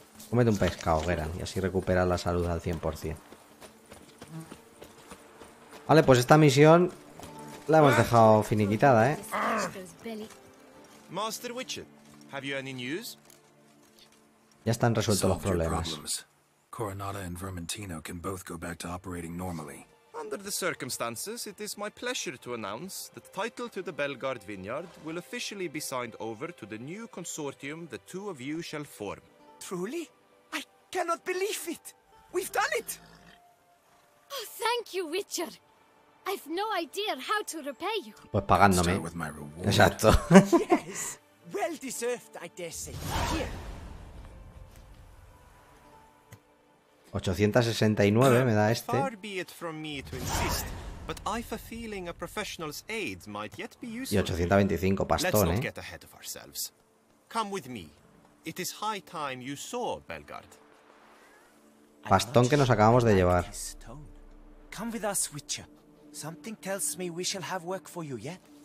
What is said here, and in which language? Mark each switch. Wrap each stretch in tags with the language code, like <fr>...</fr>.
<es>Cómete un pescado, Geran, y así recuperas la salud al 100%. Vale, pues esta misión la hemos dejado finiquitada,</es> <en>Master Witcher. Have you any news?</en> <es>Ya están resueltos los problemas.</es> <en>Coronada and Vermentino can both go back to operating normally. Under the circumstances, it is my pleasure to announce that the title to the Belgard Vineyard will officially be signed over to the new consortium the two of you shall form. Truly? I cannot believe it! We've done it! Oh, thank you, Witcher! I've no idea how to repay you.</en> <es>Pues pagándome.</es> <en>Start with my reward.</en> <es>Exacto.</es> <en>Yes! Well deserved, I dare say. Here.</en> <es>869 me da este.</es> <en>Far be it from me to insist, but I've a feeling a professional's aid might yet be useful.</en> <es>Y 825 pastón,</es> <en>Let's not get ahead of ourselves. Come with me. It is high time you saw Belgard.</en> <es>Pastón que nos acabamos de llevar.</es> <en>Come with us, Witcher. Something tells me we shall have work for you yet.</en>